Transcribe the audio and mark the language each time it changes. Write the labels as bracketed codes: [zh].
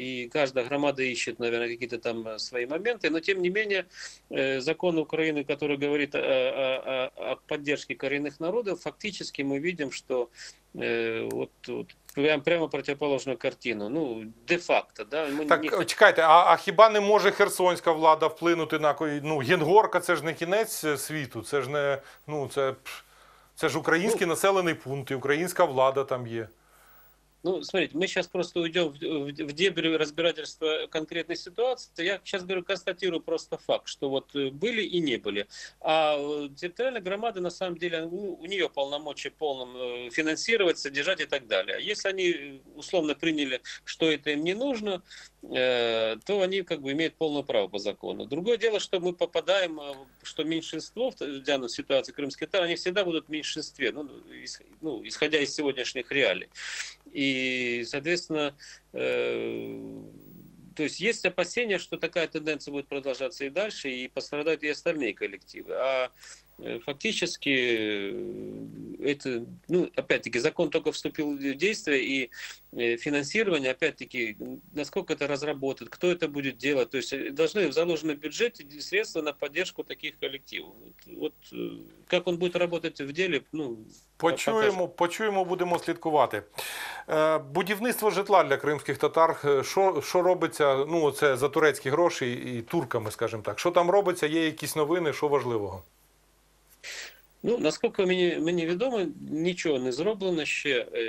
[ru] И каждая громада ищет, наверное, какие-то там свои моменты. Но, тем не менее, закон Украины, который говорит о поддержке коренных народов, фактически мы видим, что прямо противоположную картину. Ну, де-факто. Да? [uk] Так, чекайте, а хіба не може херсонська влада вплинути на... Ну, Генгорка, це ж не кінець світу, це ж не... Ну, це ж український населений пункт, і українська влада там є. [ru] Ну, смотрите, мы сейчас просто уйдем в дебри разбирательства конкретной ситуации. Я сейчас говорю, констатирую просто факт, что вот были и не были. А территориальная громада, на самом деле, у нее полномочия полном финансировать, содержать и так далее. Если они условно приняли, что это им не нужно, то они как бы имеют полное право по закону. Другое дело, что мы попадаем, что меньшинство в данной ситуации крымские татары, они всегда будут в меньшинстве, ну, исходя из сегодняшних реалий. И, соответственно, то есть есть опасения, что такая тенденция будет продолжаться и дальше, и пострадают и остальные коллективы. А Фактически, это, ну, опять-таки, закон только вступил в действие, и финансирование, опять-таки, насколько это разработает, кто это будет делать, то есть должны в заложенном бюджете средства на поддержку таких коллективов. Вот как он будет работать в деле, ну, [uk] Почуємо, [ru] покажу. [uk] почуємо, будемо слідкувати. Будівництво житла для кримських татар, що робиться, ну це за турецькі гроші і турками, скажімо так. Що там робиться, є якісь новини, що важливого? Ну, наскільки мені відомо, нічого не зроблено ще.